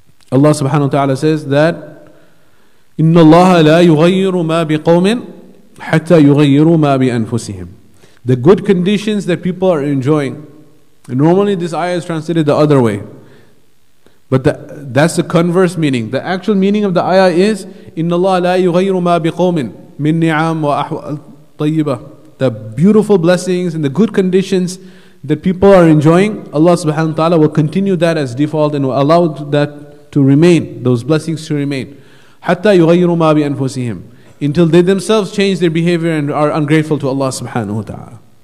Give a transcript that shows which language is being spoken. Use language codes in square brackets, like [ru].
[en] Allah subhanahu wa ta'ala says that [ar] إِنَّ اللَّهَ لَا يُغَيِّرُ مَا بِقَوْمٍ حَتَّى يُغَيِّرُوا مَا بِأَنفُسِهِمْ, [en] the good conditions that people are enjoying. Normally this ayah is translated the other way. But that's the converse meaning. [ar] The actual meaning of the ayah is إِنَّ اللَّهَ لَا يُغَيْرُ مَا بِقَوْمٍ مِنْ نِعَامٍ وَأَحْوَالٍ طَيِّبَةٍ. [en] The beautiful blessings and the good conditions that people are enjoying, Allah subhanahu wa ta'ala will continue that as default and will allow that to remain, those blessings to remain. [ar] حَتَّى يُغَيْرُ مَا بِأَنفُسِهِمْ. [en] Until they themselves change their behavior and are ungrateful to Allah subhanahu wa ta'ala.